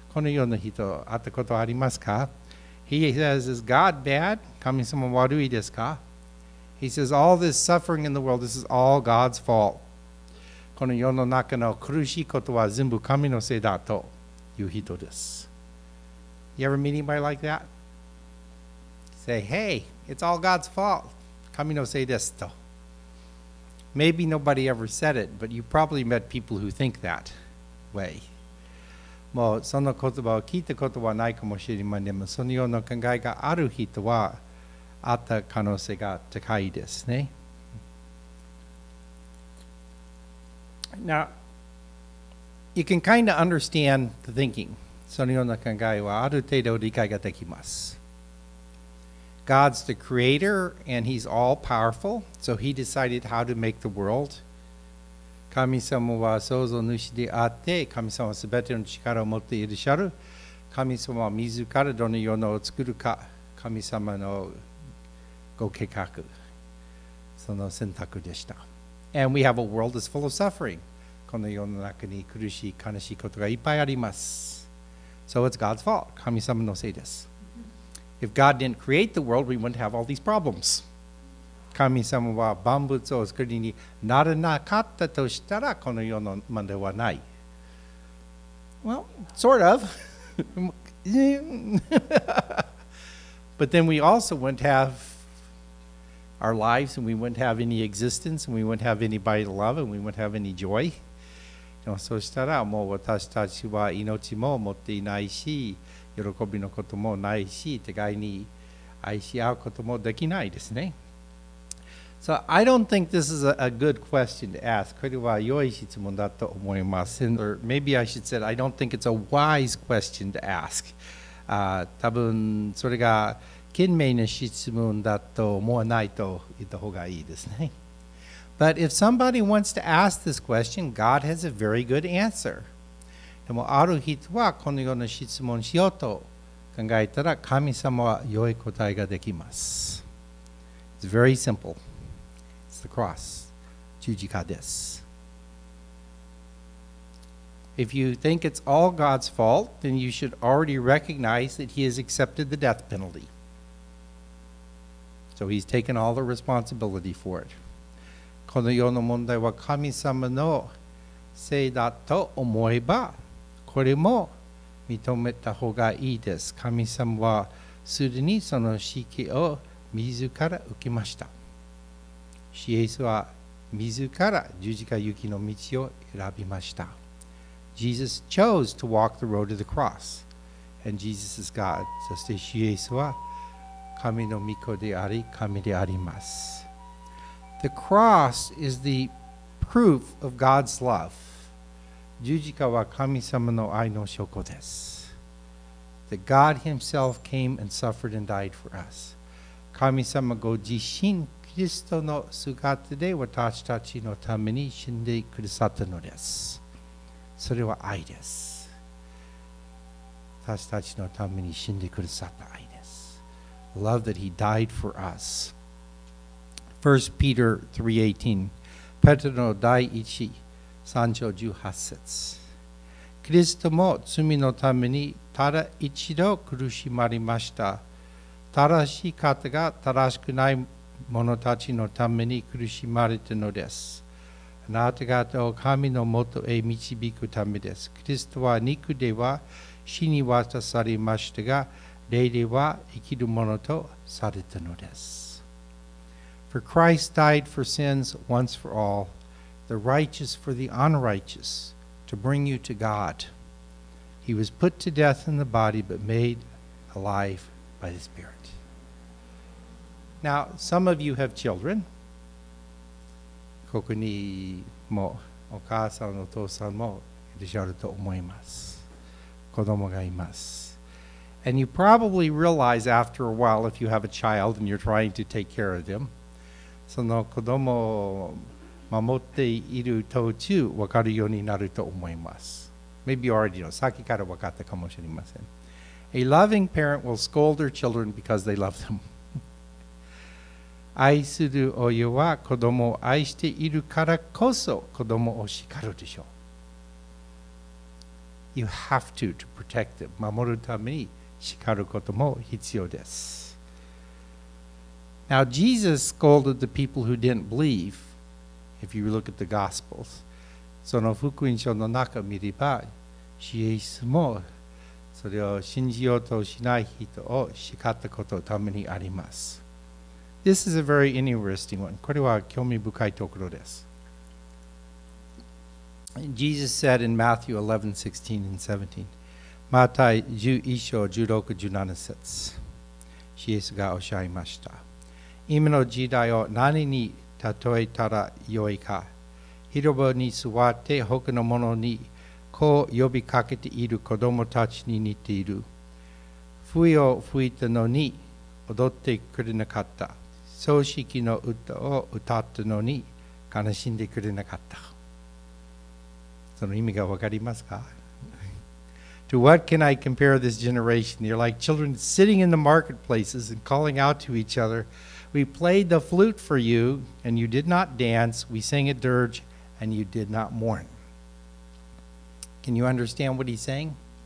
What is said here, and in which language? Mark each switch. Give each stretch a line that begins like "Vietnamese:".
Japanese: このような人、会ったことありますか?
English: He says, is God bad?
Japanese: 神様悪いですか?
English: He says, all this suffering in the world, this is all God's fault.
Japanese: この世の中の苦しいことは全部神のせいだという人です。
English: You ever meet anybody like that? say, hey, it's all God's fault.
Japanese: 神のせいですと。
English: Maybe nobody ever said it, but you probably met people who think that way.
Japanese: もうその言葉を聞いたことはないかもしれませんでも、そのような考えがある人はあった可能性が高いですね。
English: Now, you can kind of understand the thinking.
Japanese: そのような考えはある程度理解ができます。
English: God's the creator and he's all powerful, so he decided how to make the world.
Japanese: 神様は創造主であって、神様はすべての力を持っていらっしゃる。神様は自らどのようなを作るか、神様のご計画、その選択でした。
English: And we have a world that's full of suffering.
Japanese: この世の中に苦しい、悲しいことがいっぱいあります。
English: So it's God's fault.
Japanese: 神様のせいです。
English: If God didn't create the world, we wouldn't have all these problems.
Japanese: 神様は万物を作りにならなかったとしたらこの世のまではない。
English: Well, sort of. But then we also wouldn't have our lives and we wouldn't have any existence and we wouldn't have anybody to love and we wouldn't have any joy.
Japanese: そしたらもう私たちは命も持っていないし、喜びのこともないし、互いに愛し合うこともできないですね。
English: So I don't think this is a good question to ask.
Japanese: これは良い質問だと思います。
English: Or maybe I should say, I don't think it's a wise question to ask.
Japanese: 多分それが賢明な質問だと思わないと言った方がいいですね。
English: But if somebody wants to ask this question, God has a very good answer.
Japanese: でもある人はこのような質問しようと考えたら神様は良い答えができます。
English: It's very simple. The cross,
Japanese: 十字架です。
English: If you think it's all God's fault, then you should already recognize that He has accepted the death penalty. So He's taken all the responsibility for it.
Japanese: この世の問題は神様のせいだと思えば、これも認めた方がいいです。神様はすでにその指揮を自ら受けました。イエスは自ら十字架行きの道を選びました。
English: Jesus chose to walk the road to the cross. And Jesus is God.
Japanese: そしてイエスは神の御子であり、神であります。
English: The cross is the proof of God's love.
Japanese: 十字架は神様の愛の証拠です。
English: That God himself came and suffered and died for us.
Japanese: 神様ご自身キリストの姿で私たちのために死んでくださったのです。それは愛です。私たちのために死んでくださった愛です。
English: Love that he died for us. 1 Peter 3:18
Japanese: ペテロの第一、三章十八節。キリストも罪のためにただ一度苦しまりました。正しい方が正しくない者たちのために苦しまれたのです。あなた方を神のもとへ導くためです。キリストは肉では死に渡されましたが、霊では生きる者とされたのです。
English: For Christ died for sins once for all, the righteous for the unrighteous, to bring you to God. He was put to death in the body, but made alive by the Spirit. Now, some of you have children.
Japanese: ここにもお母さん、お父さんもいらっしゃると思います。子供がいます。
English: And you probably realize after a while if you have a child and you're trying to take care of them.
Japanese: その子供を守っている途中、分かるようになると思います。
English: Maybe you already know.
Japanese: 先から分かったかもしれません。
English: A loving parent will scold their children because they love them.
Japanese: 愛する親は子供を愛しているからこそ子供を叱るでしょう。
English: You have to protect them.
Japanese: 守るために叱ることも必要です。
English: Now, Jesus scolded the people who didn't believe, if you look at the Gospels.
Japanese: その福音書の中を見れば、イエスもそそれを信じようとしない人を叱ったことのためにあります。
English: This is a very interesting one.
Japanese: これは興味深いところです。
English: Jesus said in Matthew 11:16-17,
Japanese: マタイ11章16、17節、シエスがおっしゃいました。今の時代を何に例えたらよいか。広場に座って他の者にこう呼びかけている子供たちに似ている。笛を吹いたのに踊ってくれなかった。葬式の歌を歌ったのに悲しんでくれなかった。その意味がわかりますか?
English: To what can I compare this generation? They're like children sitting in the marketplaces and calling out to each other, We played the flute for you and you did not dance. We sang a dirge and you did not mourn. Can you understand what he's saying?